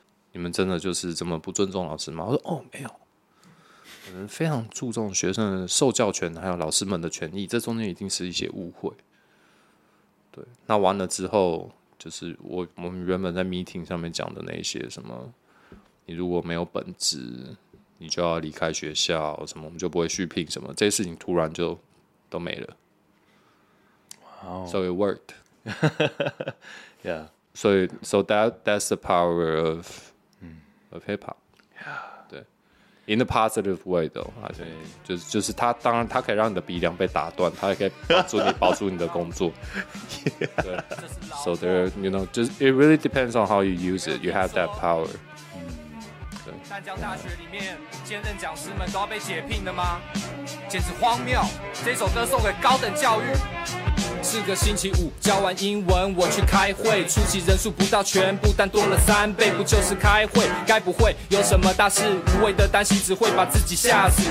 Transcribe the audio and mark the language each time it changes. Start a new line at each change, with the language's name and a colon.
Chinese: 你们真的就是这么不尊重老师吗？”我说：“哦，没有，我们非常注重学生的受教权，还有老师们的权益。这中间一定是一些误会。” 对，那完了之后，就是我们原本在 meeting 上面讲的那些什么，你如果没有本职，你就要离开学校，什么我们就不会续聘，什么这些事情突然就都没了。
English: Wow. So it worked. yeah. So that's the power of,of hip hop. Yeah. In a positive way, though. I think.
Chinese: 就是它当然它可以让你的鼻梁被打断，它也可以保住你的工作。
English: Yeah. So there, you know, just it really depends on how you use it. You have that power.
Chinese: 淡江大学里面，兼任讲师们都要被解聘了吗？简直荒谬！这首歌送给高等教育。是个星期五，教完英文我去开会，出席人数不到全部，但多了三倍，不就是开会？该不会有什么大事？无谓的担心只会把自己吓死。